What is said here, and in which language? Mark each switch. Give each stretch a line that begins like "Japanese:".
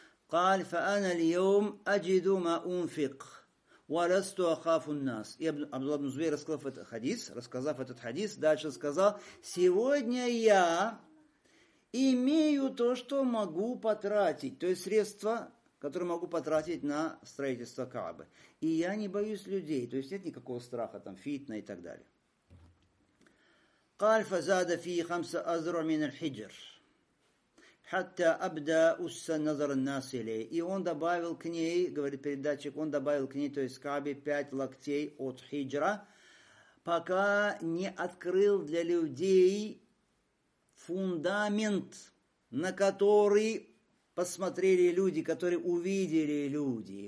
Arabic: قَالْ فَأَنَا الْيَوْمْ أَجِدُ مَا أُنْفِقْ وَلَسْتُ أَخَافُ النَّاسِ
Russian: И Абдулла ибн Зубейр, рассказав этот хадис, дальше сказал, «Сегодня я имею то, что могу потратить». То есть средства, которые могу потратить на строительство Каабы. И я не боюсь людей. То есть нет никакого страха, там, фитна и так далее.
Arabic: قال فزاد في خمس أزرع من الحجر حتى أبدأ أس نظر الناس إليه.
Russian: И он добавил к ней, говорит передатчик, он добавил к ней, то есть Каабе, 5 локтей от хиджра, пока не открыл для людей фундамент, на который посмотрели люди, которые увидели люди.